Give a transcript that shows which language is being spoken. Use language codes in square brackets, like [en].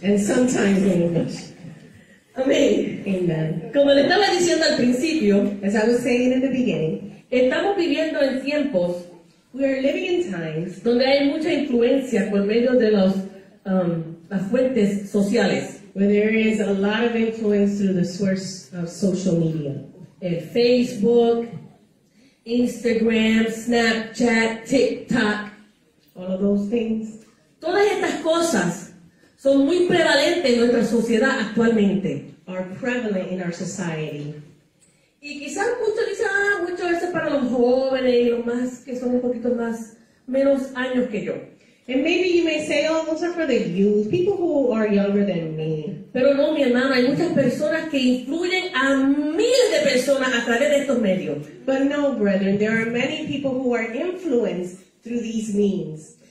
[en] And sometimes in English. [es] Amén. [en] Amen. [es] Como le estaba diciendo al principio, [en] as I was saying in the beginning, [es] estamos viviendo en tiempos, [en] we are living in times, [es] donde hay mucha influencia por medio de los, las fuentes sociales. [en] Where there is a lot of influence through the source of social media. [es] El Facebook, Instagram, Snapchat, TikTok. [en] All of those things. [es] Todas estas cosas son muy prevalentes en nuestra sociedad actualmente. [en] Are prevalent in our society. [es] Y quizás muchos dicen, muchas veces para los jóvenes y los más que son un poquito más, menos años que yo. [en] And maybe you may say, oh, those are for the youth, people who are younger than me. [es] Pero no, mi hermana, hay muchas personas que influyen a miles de personas a través de estos medios. [en] But no, brethren, there are many people who are influenced through these means.